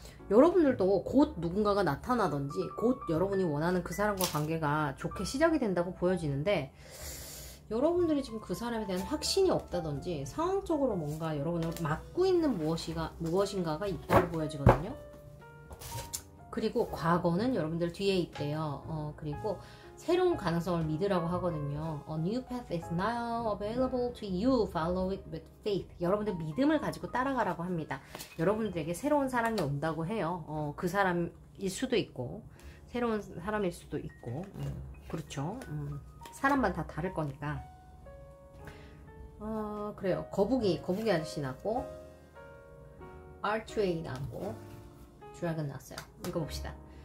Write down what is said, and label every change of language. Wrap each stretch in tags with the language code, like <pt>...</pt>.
<ko>여러분들도 곧 누군가가 나타나든지 곧 여러분이 원하는 그 사람과 관계가 좋게 시작이 된다고 보여지는데, 여러분들이 지금 그 사람에 대한 확신이 없다든지 상황적으로 뭔가 여러분을 막고 있는 무엇인가가 있다고 보여지거든요. 그리고 과거는 여러분들 뒤에 있대요. 그리고 새로운 가능성을 믿으라고 하거든요.</ko> <en>A new path is now available to you. Follow it with faith.</en> <ko>여러분들 믿음을 가지고 따라가라고 합니다. 여러분들에게 새로운 사람이 온다고 해요. 그 사람일 수도 있고 새로운 사람일 수도 있고. 그렇죠. 사람만 다 다를 거니까. 그래요. 거북이 아저씨 나고, Archway 나고, Dragon 나왔어요. 읽어봅시다.</ko>